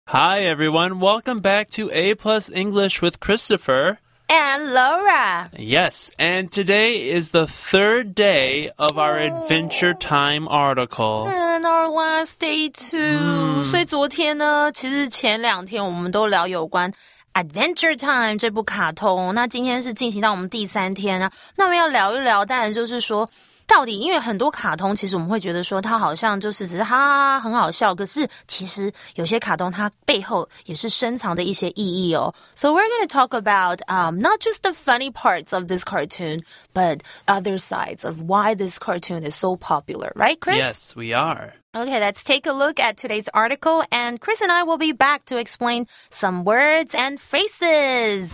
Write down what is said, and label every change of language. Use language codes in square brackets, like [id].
[en] Hi everyone, welcome back to A Plus English with Christopher and Laura. Yes, and today is the third day of our Adventure Time article. And our last day too. [zh] 所以昨天呢，其实前两天我们都聊有关 Adventure Time 这部卡通。那今天是进行到我们第三天啊，那我们要聊一聊，当然就是说。到底，因为很多卡通，其实我们会觉得说它好像就是只是哈哈很好笑，可是其实有些卡通它背后也是深藏的一些意义哦。 [en] So we're going to talk about not just the funny parts of this cartoon, but other sides of why this cartoon is so popular, right, Chris? Yes, we are. Okay, let's take a look at today's article, and Chris and I will be back to explain some words and phrases.